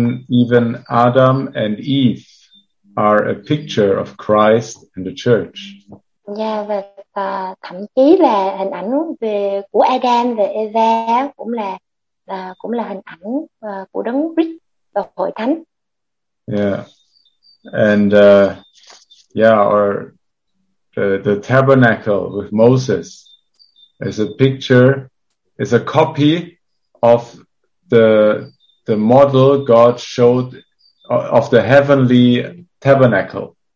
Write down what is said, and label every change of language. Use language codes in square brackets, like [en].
[en] Even Adam and Eve are a picture of Christ and the church. [vi] Yeah, và thậm chí là hình ảnh về của Adam và Eva cũng là hình ảnh của Đấng Christ và hội thánh. [en] Yeah. And or the tabernacle with Moses is a picture, is a copy of the model God showed of the heavenly tabernacle.